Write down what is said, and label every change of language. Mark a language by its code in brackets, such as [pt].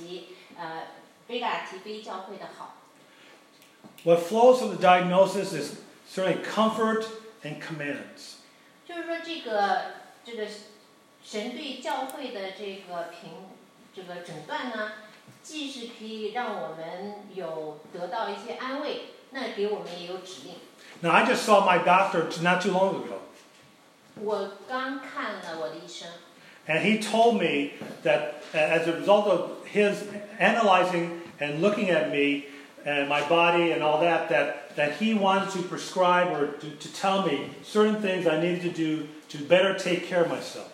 [zh] 他用就是我知道这样的那来表示，就是这个耶稣基督是知道这个教会的现状，不仅的他知道他的好的地方，也知道他坏的地方。那在好的里面呢，他又指出来就是这个撒迪和老底嘉教会的不好，然后在负面的时候呢，又看到了士米拿以及贝加提菲教会的好。 [en] What flows from the diagnosis is certainly comfort and commands. [zh] 就是说这个神对教会的这个诊断呢，既是可以让我们有得到一些安慰，那给我们也有指令。 [en] Now I just saw my doctor not too long ago. [zh] 我刚看了我的医生。 [en] And he told me that as a result of his analyzing and looking at me and my body and all that, that he wanted to prescribe or to tell me certain things I needed to do to better take care of myself.